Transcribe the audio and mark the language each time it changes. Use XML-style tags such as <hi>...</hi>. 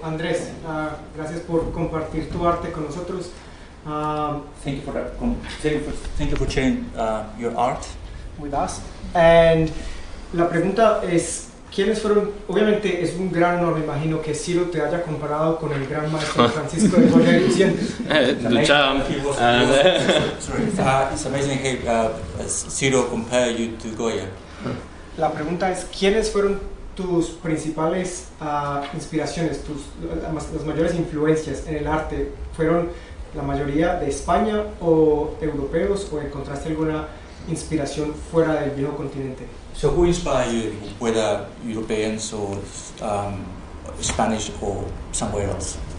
<es>Andrés, gracias por compartir tu arte con nosotros.</es> <en>Thank you for sharing your art with us. And</en> <es>la pregunta es, ¿quiénes fueron? Obviamente es un gran honor, me imagino, que Ciro te haya comparado con el gran maestro Francisco de Goya.</es> <en>It's amazing how Ciro compared you to Goya.</en> <es>La pregunta es, ¿quiénes fueron tus principales inspiraciones, las mayores influencias en el arte? ¿Fueron la mayoría de España o europeos, o encontraste alguna inspiración fuera del viejo continente?</es> <en>So who inspired you, whether Europeans or Spanish or somewhere else?</en>